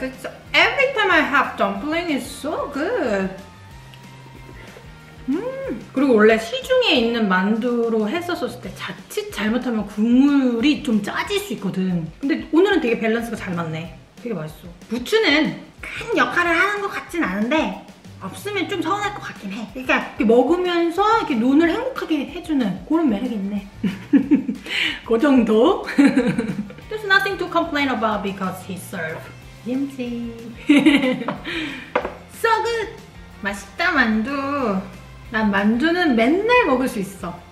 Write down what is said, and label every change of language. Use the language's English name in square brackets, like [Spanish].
[English] It's every time I have dumpling, it's so good. [Korean] 그리고 원래 시중에 있는 만두로 했었을 때 자칫 잘못하면 국물이 좀 짜질 수 있거든. 근데 오늘은 되게 밸런스가 잘 맞네. 되게 맛있어. 부추는 큰 역할을 하는 것 같진 않은데 없으면 좀 서운할 것 같긴 해. 그러니까 이렇게 먹으면서 이렇게 눈을 행복하게 해주는 그런 매력이 있네. 그 정도? [English] There's nothing to complain about because he served 김치. So good! [Korean] 맛있다, 만두. 난 만두는 맨날 먹을 수 있어.